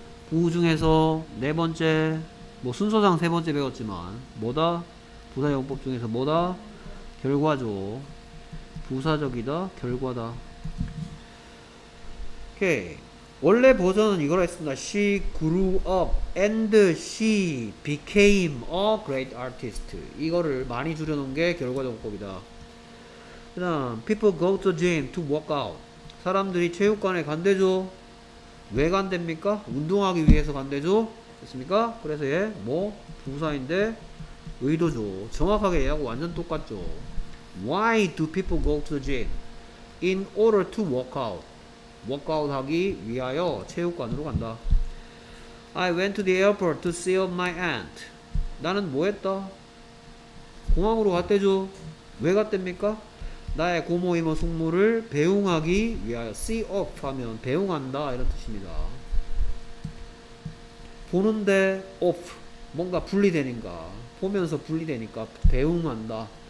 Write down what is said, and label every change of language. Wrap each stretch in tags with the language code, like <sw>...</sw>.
<ko>부 중에서 네 번째, 뭐 순서상 세 번째 배웠지만 뭐다? 부사용법 중에서 뭐다? 결과죠. 부사적이다, 결과다. 오케이. 원래 버전은 이거라 했습니다.</ko> <en>She grew up and she became a great artist.</en> <ko>이거를 많이 줄여놓은 게 결과정법이다. 그 다음,</ko> <en>people go to gym to work out.</en> <ko>사람들이 체육관에 간대죠. 왜 간댑니까? 운동하기 위해서 간대죠. 됐습니까? 그래서 얘, 뭐? 부사인데 의도죠. 정확하게 얘하고 완전 똑같죠.</ko> <en>Why do people go to the gym? In order to work out.</en> <ko>Work out 하기 위하여 체육관으로 간다.</ko> <en>I went to the airport to see my aunt.</en> <ko>나는 뭐 했다? 공항으로 갔대죠. 왜 갔댑니까? 나의 고모 이모 숙모를 배웅하기 위하여. See of 하면 배웅한다 이런 뜻입니다. 보는데 of 뭔가 분리되니까 보면서 분리되니까 배웅한다.</ko>